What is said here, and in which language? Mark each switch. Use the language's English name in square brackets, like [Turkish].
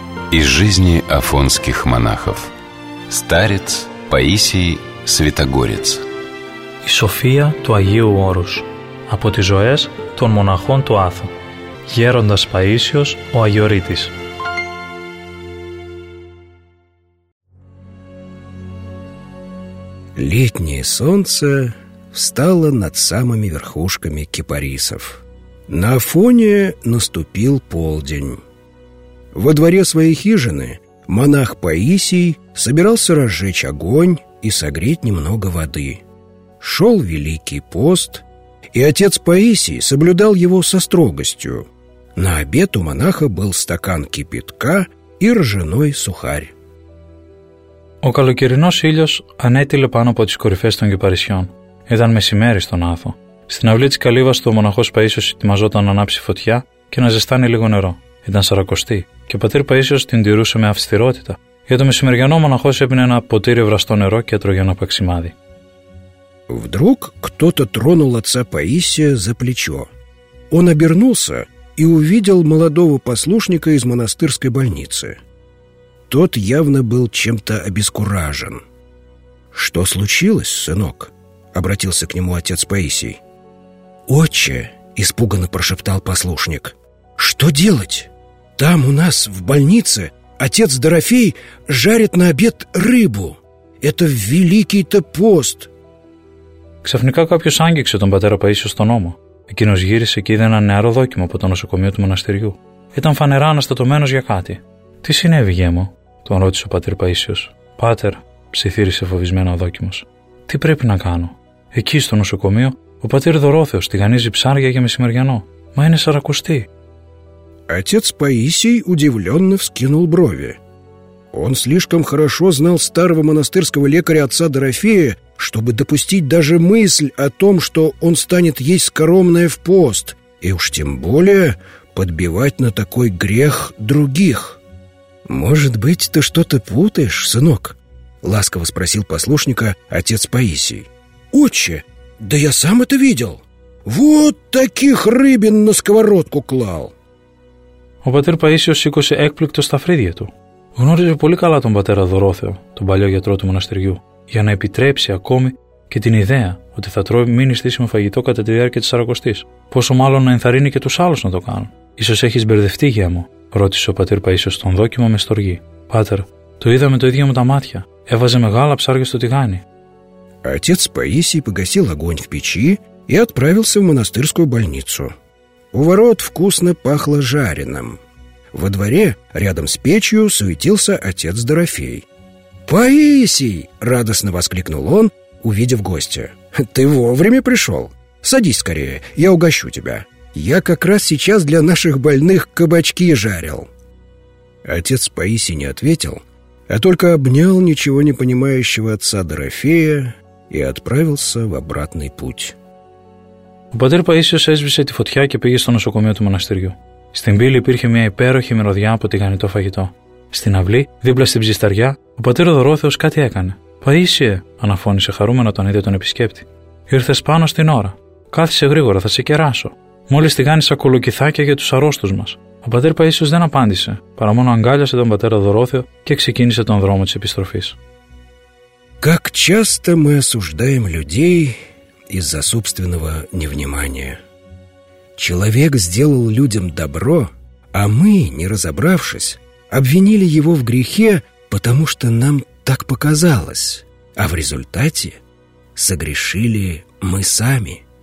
[Russian] Из жизни афонских монахов. Старец Паисий Святогорец. [Greek] Η σοφία του Αγίου Όρους. Από τις ζωές των μοναχών του Άθου. Γέροντας Παΐσιος ο Αγιορείτης. [Russian] Летнее солнце встало над самыми верхушками кипарисов. На Афоне наступил полдень. Во дворе своей хижины монах Паисий собирался разжечь огонь и согреть немного воды. Шел Великий пост, и отец Паисий соблюдал его со строгостью. На обед у монаха был стакан кипятка и ржаной сухарь. [Greek] Ο καλοκαιρινός ήλιος ανέτειλε πάνω από τις κορυφές των κυπαρισιών. Ήταν μεσημέρι στον Άθο. Στην αυλή της καλύβας του ο μοναχός Παΐσιος ετοιμαζόταν να ανάψει φωτιά και να ζεστάνει λίγο νερό. Ήταν σαρακοστή και ο πατήρ Παΐσιος την τηρούσε με αυστηρότητα. Για το μεσημεριανό ο μοναχός έπινε ένα ποτήρι βραστό νερό και έτρωγε ένα παξιμάδι. [Russian] Вдруг кто-то тронул отца Паисия за плечо. Он обернулся и увидел молодого послушника из монастырской больницы. Тот явно был чем-то обескуражен. «Что случилось, сынок?» — обратился к нему отец Паисий. «Отче!» — испуганно прошептал послушник. «Что делать? Там у нас, в больнице, отец Дорофей жарит на обед рыбу. Это великий-то пост!» [Greek] Ξαφνικά κάποιος άγγιξε τον πατέρα Παΐσιο στον ώμο. Εκείνος γύρισε και είδε ένα νεαρό δόκιμο από το νοσοκομείο του μοναστηριού. Ήταν φανερά αναστατωμένος για κάτι. «Τι συνέβη, γιέ μου?» τον ρώτησε ο πατήρ Παΐσιος. «Πάτερ», ψιθύρισε φοβισμένο ο δόκιμος, «τι πρέπει να κάνω? Εκεί στο νοσοκομείο ο πατήρ Δωρόθεος τηγανίζει ψάρια για μεσημεριανό. Μα είναι σαρακοστή». [Russian] Отец Паисий удивленно вскинул брови. Он слишком хорошо знал старого монастырского лекаря отца Дорофея, чтобы допустить даже мысль о том, что он станет есть скоромное в пост, и уж тем более подбивать на такой грех других. «Может быть, ты что-то путаешь, сынок?» — ласково спросил послушника отец Паисий. «Отче, да я сам это видел! Вот таких рыбин на сковородку клал!» [Greek] Ο πατήρ Παΐσιος σήκωσε έκπληκτο στα φρύδια του. Γνώριζε πολύ καλά τον πατέρα Δωρόθεο, τον παλιό γιατρό του μοναστηριού, για να επιτρέψει ακόμη και την ιδέα ότι θα τρώει μη νηστίσιμο φαγητό κατά τη διάρκεια της Σαρακοστής. Πόσο μάλλον να ενθαρρύνει και τους άλλους να το κάνουν. Ίσως έχεις μπερδευτεί, γιά μου, ρώτησε ο πατήρ Παΐσιος τον δόκιμο με στοργή. Πάτερ, το είδα με το ίδιο μου τα μάτια. Έβαζε μεγάλα ψάρια στο τηγάνι. [Russian] Отец Паисий погасил огонь в печи и отправился в монастырскую больницу. У ворот вкусно пахло жареным. Во дворе, рядом с печью, суетился отец Дорофей. «Паисий!» — радостно воскликнул он, увидев гостя. «Ты вовремя пришел? Садись скорее, я угощу тебя. Я как раз сейчас для наших больных кабачки жарил». Отец Паисий не ответил, а только обнял ничего не понимающего отца Дорофея и отправился в обратный путь. [Greek] Ο πατήρ Παΐσιος έσβησε τη φωτιά και πήγε στο νοσοκομείο του μοναστηριού. Στην πύλη υπήρχε μια υπέροχη μυρωδιά από τηγανιτό φαγητό. Στην αυλή, δίπλα στην ψησταριά, ο πατήρ Δωρόθεος κάτι έκανε. «Παΐσιε», αναφώνησε χαρούμενο τον ίδιο τον επισκέπτη. «Ήρθες πάνω στην ώρα. Κάθισε γρήγορα, θα σε κεράσω. Μόλις τηγάνισα κολοκυθάκια για τους αρρώστους μας». Ο πατήρ Παΐσιος δεν απάντησε, παρά μόνο αγκάλιασε τον πατέρα Δωρόθεο και ξεκίνησε τον δρόμο της επιστροφής. [Russian] Как часто мы осуждаем людей из-за собственного невнимания. Человек сделал людям добро, а мы, не разобравшись, обвинили его в грехе, потому что нам так показалось, а в результате согрешили мы сами.